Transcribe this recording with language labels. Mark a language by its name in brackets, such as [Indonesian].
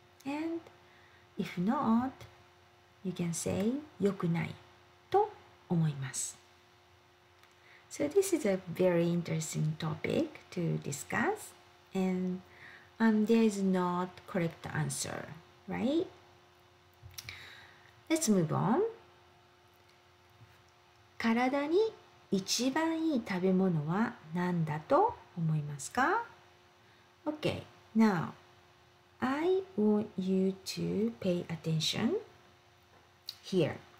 [English] And if not, you can say [Japanese] 良くないと思います。 [English] So this is a very interesting topic to discuss, and there is not correct answer, right? Let's move on. [Japanese] 体に一番いい食べ物は何だと思いますか? [English] Okay, now, I want you to pay attention here.